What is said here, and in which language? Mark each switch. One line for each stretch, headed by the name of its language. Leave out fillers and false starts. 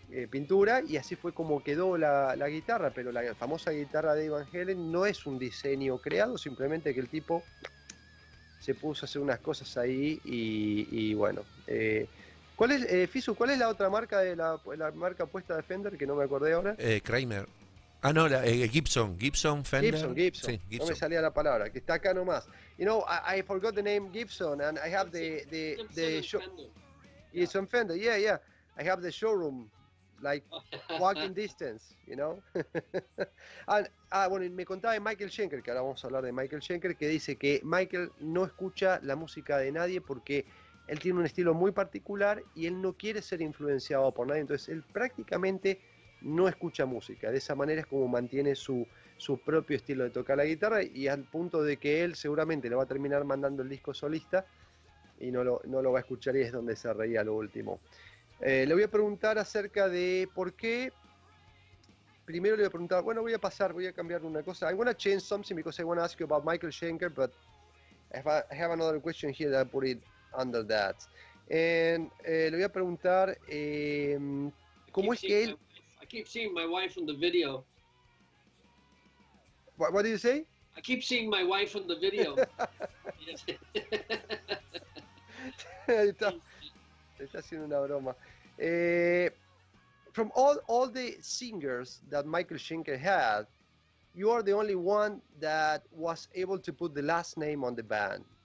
Spanish: Pintura, y así fue como quedó la guitarra, pero la famosa guitarra de Van Halen no es un diseño creado, simplemente que el tipo se puso a hacer unas cosas ahí y bueno. ¿Cuál es, Fisu, cuál es la otra marca de la marca puesta de Fender, que no me acordé ahora? Kramer. Ah, no, Gibson. Gibson, Fender. Gibson. Sí, Gibson. No me salía la palabra, que está acá nomás.
English: You know, I forgot the name Gibson, and I have the Gibson Fender. Gibson Fender, yeah. I have the showroom. like walking distance, you know.
Spanish: Bueno, me contaba de Michael Schenker, que ahora vamos a hablar de Michael Schenker, que dice que Michael no escucha la música de nadie porque él tiene un estilo muy particular y él no quiere ser influenciado por nadie, entonces él prácticamente no escucha música. De esa manera es como mantiene su propio estilo de tocar la guitarra, y al punto de que él seguramente le va a terminar mandando el disco solista y no lo va a escuchar, y es donde se reía lo último. Le voy a preguntar acerca de por qué. Primero le voy a preguntar, bueno, voy a cambiar una cosa.
English: I'm going to change something because I want to ask you about Michael Schenker, but I have another question here that I put it under that.
Spanish: Le voy a preguntar, ¿cómo es que él?
English: I keep seeing my wife in the video. What did you say? I keep seeing my wife in the video.
Spanish: Está haciendo una broma.
English: From all the singers that Michael Schenker had, you are the only one that was able to put the last name on the band.